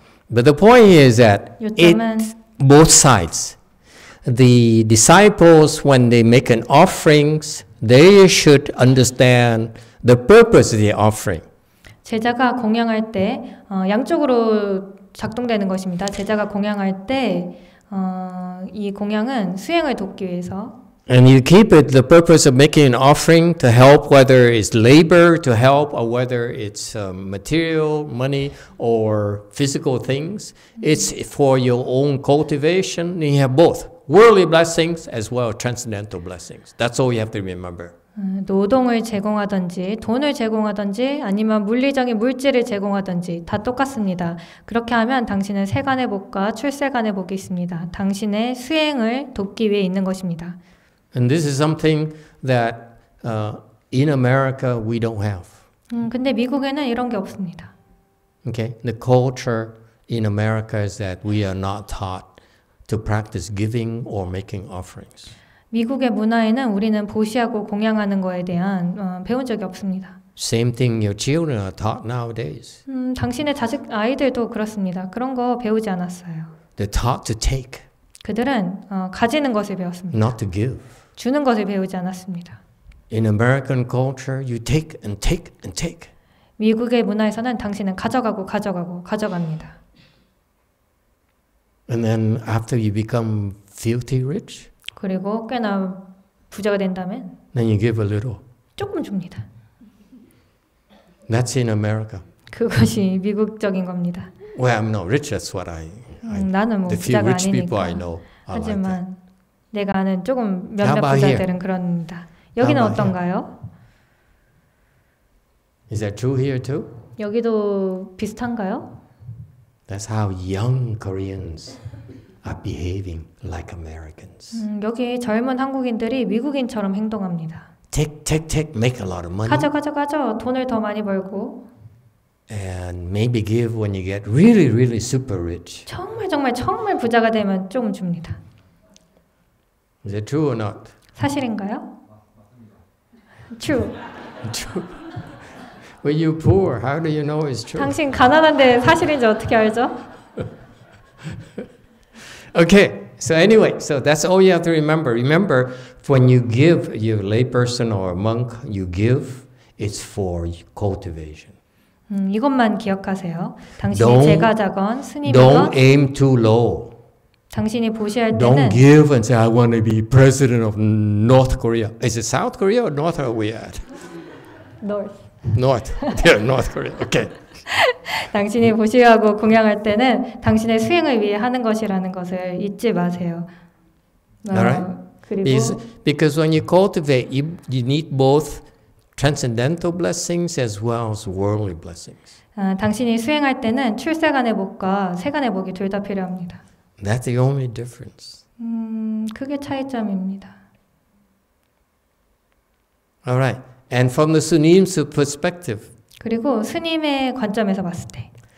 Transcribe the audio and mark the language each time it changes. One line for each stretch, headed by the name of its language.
English: But the point is that it both sides. The disciples, when they make an offerings, they should understand the purpose of the offering.
Korean: 제자가 공양할 때 양쪽으로 작동되는 것입니다. 제자가 공양할 때 이 공양은 수행을 돕기 위해서.
English: And you keep it the purpose of making an offering to help, whether it's labor to help or whether it's material, money or physical things. It's for your own cultivation. You have both. Worldly blessings as well as transcendental blessings. That's all you have to remember.
Korean: 노동을 제공하든지 돈을 제공하든지 아니면 물리적인 물질을 제공하든지 다 똑같습니다. 그렇게 하면 당신은 세간의 복과 출세간의 복이 있습니다. 당신의 수행을 돕기 위해 있는 것입니다.
English: And this is something that in America we don't have.
Korean: 근데 미국에는 이런 게 없습니다.
English: Okay, the culture in America is that we are not taught to practice giving or making offerings.
Korean: 미국의 문화에는 우리는 보시하고 공양하는 거에 대한 배운 적이 없습니다.
English: Same thing your children are taught nowadays.
Korean: 당신의 자식 아이들도 그렇습니다. 그런 거 배우지 않았어요.
English: They're taught to take.
Korean: 그들은 가지는 것을 배웠습니다.
English: Not to give.
Korean: 주는 것을 배우지 않았습니다.
English: In American culture, you take and take and take.
Korean: 미국의 문화에서는 당신은 가져가고 가져가고 가져갑니다.
English: And then after you become filthy rich.
Korean: 그리고 꽤나 부자가 된다면.
English: Then you give a little.
Korean: 조금 줍니다.
English: That's in America.
Korean: 그것이 미국적인 겁니다.
English: Well, I'm not rich. That's what I.
Korean: 나는 뭐 부자가
English: rich
Korean: 아니니까.
English: People I know are
Korean: 하지만
English: like that.
Korean: 내가 아는 조금 몇몇 부자들은 그렇습니다. 여기는 어떤가요?
English: Is that true here too?
Korean: 여기도 비슷한가요?
English: That's how young Koreans are behaving like Americans.
Korean: 여기 젊은 한국인들이 미국인처럼 행동합니다.
English: Take, take, take, make a lot of money.
Korean: 가져, 가져, 가져. 돈을 더 많이 벌고.
English: And maybe give when you get really, really super rich.
Korean: 정말, 정말, 정말 부자가 되면 좀 줍니다.
English: Is that true or not?
Korean: 사실인가요?
English: True. True. When you poor, how do you know it's true?
Korean: 당신 가난한데 사실인지 어떻게 알죠?
English: Okay. So anyway, so that's all you have to remember. Remember, when you give, you layperson or monk, you give, it's for cultivation.
Korean: 이것만 기억하세요. 당신이 제가자건 스님이건.
English: Don't aim too low.
Korean: 당신이 보시할 때는.
English: Don't give and say I want to be president of North Korea. Is it South Korea or North are we at? North. North. They're North Korea. Okay.
Korean: 당신이 보시하고 공양할 때는 당신의 수행을 위해 하는 것이라는 것을 잊지 마세요.
English: Alright. Because when you cultivate, you need both transcendental blessings as well as worldly blessings.
Korean: 당신이 수행할 때는 출세간의 복과 세간의 복이 둘 다 필요합니다.
English: That's the only difference.
Korean: 그게 차이점입니다.
English: Alright. And from the Sunim's perspective.
Korean: 그리고 스님의 관점에서 봤을 때.